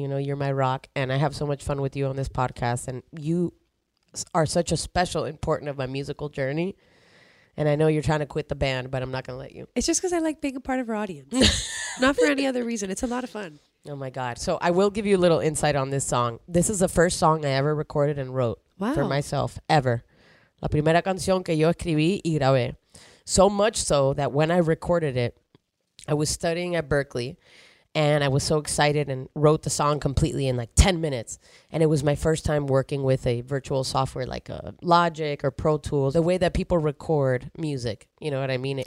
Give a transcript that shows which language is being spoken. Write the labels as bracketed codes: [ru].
[en] You know, you're my rock, and I have so much fun with you on this podcast, and you are such a special, important of my musical journey, and I know you're trying to quit the band, but I'm not going to let you. It's just because I like being a part of our audience. Not for any other reason. It's a lot of fun. Oh my God. So I will give you a little insight on this song. This is the first song I ever recorded and wrote Wow. for myself, ever. [es] La primera canción que yo escribí y grabé. [en] So much so that when I recorded it, I was studying at Berkeley and I was so excited and wrote the song completely in like 10 minutes. And it was my first time working with a virtual software like a Logic or Pro Tools, the way that people record music, you know what I mean?